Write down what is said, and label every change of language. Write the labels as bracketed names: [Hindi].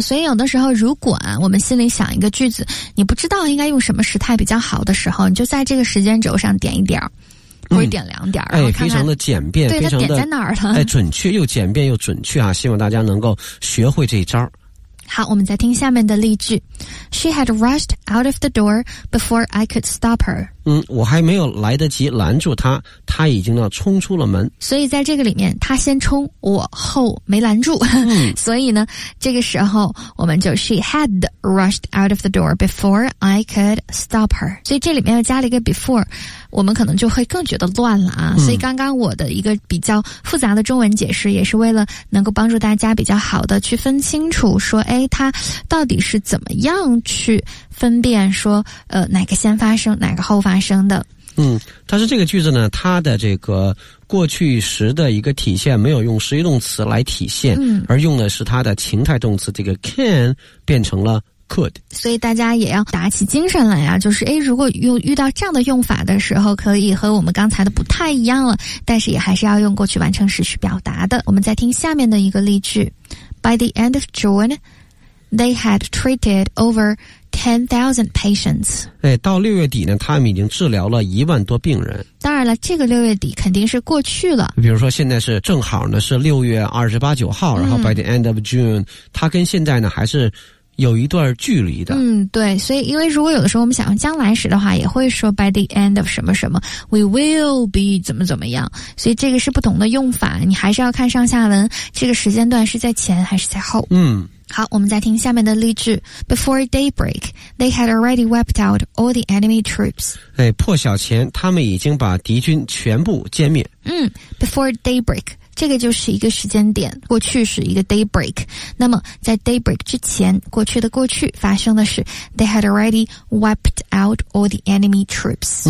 [Chinese] 所以有的时候如果我们心里想一个句子，你不知道应该用什么时态比较好的时候，你就在这个时间轴上点一点，或者点两点，看看，非常的简便，对，它点在哪儿了，准确，又简便又准确啊，希望大家能够学会这一招。好，我们再听下面的例句。 [English] She had rushed out of the door before I could stop her。 [Chinese] 嗯，我还没有来得及拦住她，她已经要冲出了门。所以在这个里面，她先冲，我后没拦住。所以呢，这个时候我们就 [English] She had rushed out of the door before I could stop her。 [Chinese] 所以这里面又加了一个 before，我们可能就会更觉得乱了啊，所以刚刚我的一个比较复杂的中文解释也是为了能够帮助大家比较好的去分清楚说，诶，他到底是怎么样去分辨说哪个先发生哪个后发生的。嗯，但是这个句子呢，它的这个过去时的一个体现没有用实义动词来体现，而用的是它的情态动词，这个 can 变成了could。所以大家也要打起精神来啊，就是诶，如果遇到这样的用法的时候，可以和我们刚才的不太一样了，但是也还是要用过去完成时去表达的。我们再听下面的一个例句。 [English] By the end of June, they had treated over 10,000 patients。 [Chinese] 诶，到六月底呢，他们已经治疗了一万多病人。当然了，这个六月底肯定是过去了，比如说现在是正好呢是六月二十八九号，然后 [English] by the end of June， [Chinese] 它跟现在呢还是有一段距离的。嗯，对，所以因为如果有的时候我们想用将来时的话，也会说 [English] by the end of [Chinese] 什么什么 [English] we will be [Chinese] 怎么怎么样，所以这个是不同的用法，你还是要看上下文，这个时间段是在前还是在后。嗯，好，我们再听下面的例句。 [English] Before daybreak, they had already wiped out all the enemy troops。 [Chinese] 哎，破晓前他们已经把敌军全部歼灭。嗯， before daybreak，这个就是一个时间点，过去是一个 daybreak。那么在 daybreak 之前，过去的过去发生的是 [English] they had already wiped out all the enemy troops。